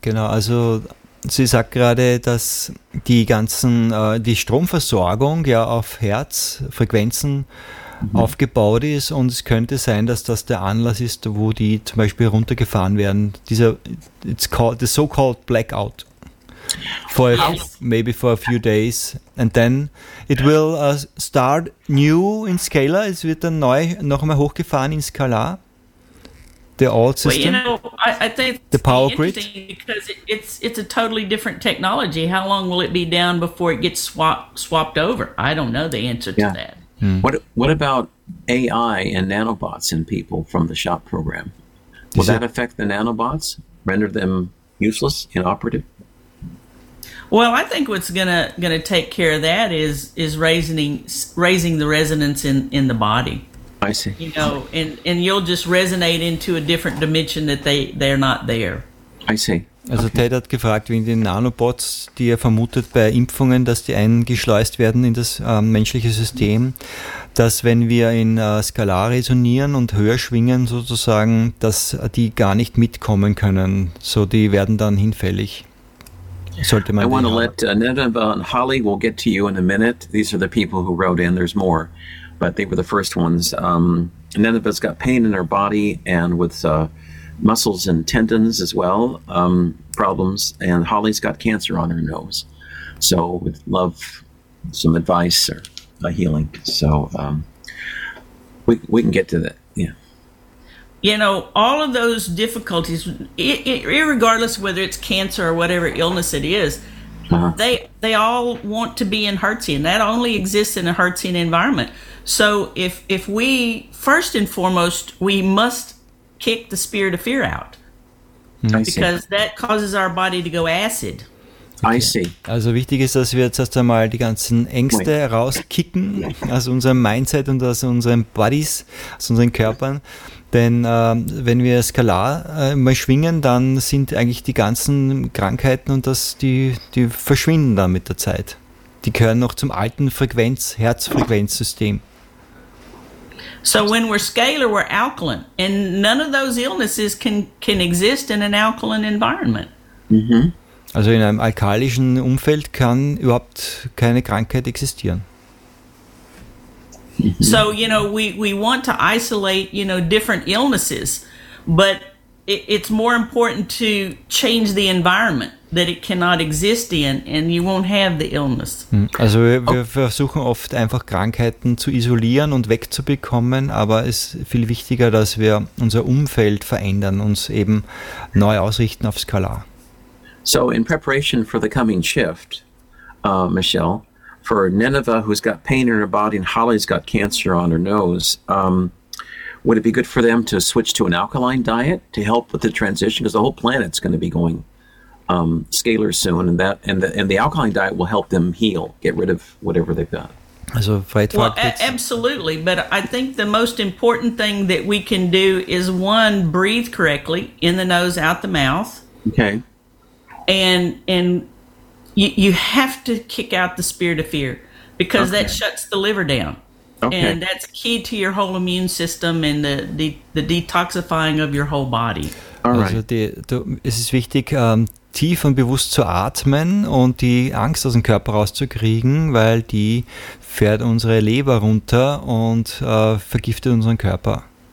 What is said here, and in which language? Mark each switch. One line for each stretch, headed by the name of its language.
German: Genau, also sie sagt gerade, dass die ganzen, die Stromversorgung ja auf Herzfrequenzen aufgebaut ist, und es könnte sein, dass das der Anlass ist, wo die zum Beispiel runtergefahren werden. Dieser,
English: it's called the so-called blackout. Maybe for a few days, and then it will start new in scalar.
German: Es wird dann neu noch einmal hochgefahren in Skalar.
English: The old system. Well, you know, I think the power grid. Because it's a totally different technology. How long will it be down before it gets swapped over? I don't know the answer to that. Hmm. What about AI and nanobots in people from the SHOP program? Will that affect the nanobots? Render them useless, inoperative? Well, I think what's gonna take care of that is raising the resonance in the body. I see. You know, and you'll just resonate into a different dimension that they're not there. I see.
German: Also okay. Ted hat gefragt, wie in den Nanobots, die er vermutet bei Impfungen, dass die eingeschleust werden in das menschliche System, dass wenn wir in Skalar resonieren und höher schwingen sozusagen, dass die gar nicht mitkommen können. So, die werden dann hinfällig. Sollte man
English: I want to let Neda and Holly, we'll get to you in a minute. These are the people who wrote in. There's more, but they were the first ones. Neda's got pain in her body and with muscles and tendons as well, problems. And Holly's got cancer on her nose. So would love some advice or a healing. So we can get to that. Yeah. You know, all of those difficulties, irregardless whether it's cancer or whatever illness it is, they all want to be in Hertzian. That only exists in a Hertzian environment. So if we, first and foremost, we must kick the spirit of fear out. Because that causes our body to go acid. Okay. I see.
German: Also wichtig ist, dass wir jetzt erst einmal die ganzen Ängste rauskicken aus unserem Mindset und aus unseren Bodies, aus unseren Körpern. Denn wenn wir Skalar mal schwingen, dann sind eigentlich die ganzen Krankheiten und das, die verschwinden dann mit der Zeit. Die gehören noch zum alten Herzfrequenzsystem.
English: So when we're scalar, we're alkaline, and none of those illnesses can exist in an alkaline environment. Mm-hmm.
German: Also in einem alkalischen Umfeld kann überhaupt keine Krankheit existieren. Mm-hmm.
English: So, you know, we want to isolate, you know, different illnesses, but it's more important to change the environment that it cannot exist in, and you won't have the illness.
German: Also wir versuchen oft einfach Krankheiten zu isolieren und wegzubekommen, aber es ist viel wichtiger, dass wir unser Umfeld verändern, uns eben neu ausrichten auf Skalar.
English: So in preparation for the coming shift, Michelle, for Nineveh, who's got pain in her body and Holly's got cancer on her nose, would it be good for them to switch to an alkaline diet to help with the transition? Because the whole planet's going to be going scalar soon, and that and the alkaline diet will help them heal, get rid of whatever they've got.
German: Also,
English: absolutely, but I think the most important thing that we can do is, one, breathe correctly in the nose, out the mouth. Okay. And you have to kick out the spirit of fear, because okay. That shuts the liver down. Okay. And that's key to your whole immune system and the detoxifying of your whole body. All right.
German: Also es ist wichtig, tief und bewusst zu atmen und die Angst aus dem Körper rauszukriegen, weil die fährt unsere Leber runter und vergiftet unseren Körper.